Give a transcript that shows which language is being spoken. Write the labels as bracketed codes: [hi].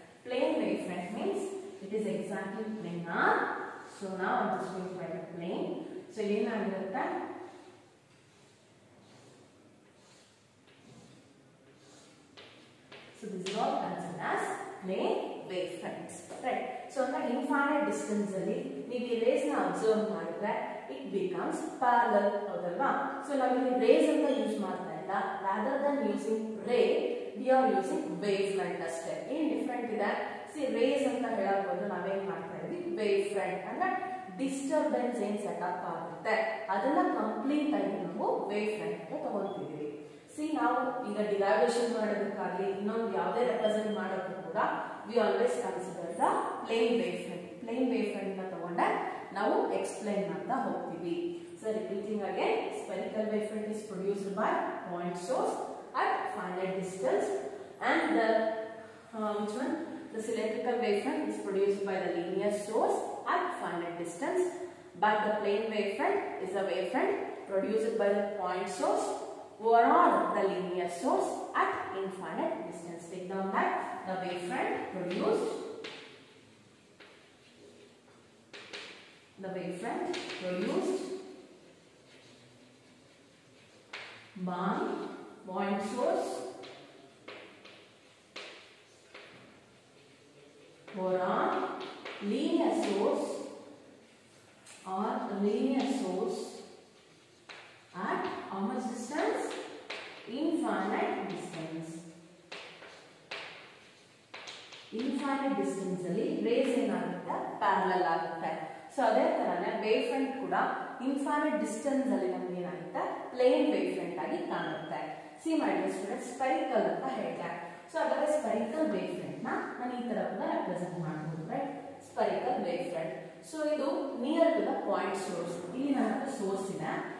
[en] Plane wavefront means it is exactly planar. So now I am just going to write a plane. So here I am going to write that. So this is all considered as plane wavefronts. Right. [kn] So ಅಂದ್ರೆ infinite distance ಅಲ್ಲಿ ನೀವು ಈ race ನ observe ಮಾಡಿದ್ರೆ [en] it becomes parallel [kn] ಹೌದಲ್ವಾ. So ನಾವಿಲ್ಲಿ race ಅಂತ use ಮಾಡ್ತಾ ಇಲ್ಲ, [en] rather than using ray we are using wave front [kn] ಅಷ್ಟೇ. ಏನ್ ಡಿಫ್ರೆಂಟ್ ಇದೆ, ಸಿ ರೇಸ್ ಅಂತ ಹೇಳಬಹುದು, ನಾವೇನ್ ಮಾಡ್ತಾ ಇದ್ವಿ ವೇವ್ ಫ್ರಂಟ್ ಅಂದ್ರೆ ಡಿಸ್ಟರ್ಬೆನ್ಸ್ ಏನ್ ಸೆಟಪ್ ಆಗುತ್ತೆ ಅದನ್ನ ಕಂಪ್ಲೀಟ್ ಆಗಿ ನಾವು ವೇವ್ ಫ್ರಂಟ್ ಅಂತ ತಗೊಂತಿದೀವಿ. ಸಿ ನಾವು ಈಗ ಡಿರೈವೇಷನ್ ಮಾಡೋದಕ್ಕಾಗಲಿ ಇನ್ನೊಂದು ಯಾವುದೇ ರೆಪ್ರೆಸೆಂಟ್ ಮಾಡೋದಕ್ಕೂ ಕೂಡ [en] We always consider the plane wave front. [kn] Plane wave front ನ ತಗೊಂಡ ನಾವು ಎಕ್ಸ್ಪ್ಲೇನ್ ಮಾಡ್ತಾ ಹೋಗ್ತೀವಿ. [en] So repeating again, spherical wave front is produced by point source at finite distance and the which one the cylindrical wave front is produced by the linear source at finite distance. But the plane wave front is a wave front produced by the point source over on the linear source at infinite distance. Take down that the wave front produce the wavefront produced by point source or a linear source or a linear source at how much distance? Infinite distance. [kn] Infinite distance ಅಲ್ಲಿ rays ಏನಾಗುತ್ತೆ, parallel ಆಗುತ್ತೆ. So ಅದೇ ತರಾನೇ wave front ಕೂಡ infinite distance ಅಲ್ಲಿ ನಮ್ಗೆ ಏನಾಗುತ್ತೆ, plane wave front ಆಗಿ ಕಾಣುತ್ತೆ. See [en] my dear student, [kn] spherical ಅಂತ ಹೇಳ್ತಾರೆ. ಸೊ ಅದರ ಸ್ಪೆರಿಕಲ್ ವೇವ್ ಫ್ರಂಟ್ ನ ನಾನು ಈ ತರ ಕೂಡ ರೆಪ್ರೆಸೆಂಟ್ ಮಾಡಬಹುದು, right, spherical wave front. So ಇದು [en] near to the point source, [kn] ಇಲ್ಲಿ ನನ್ನ ಸೋರ್ಸ್ ಇದೆ.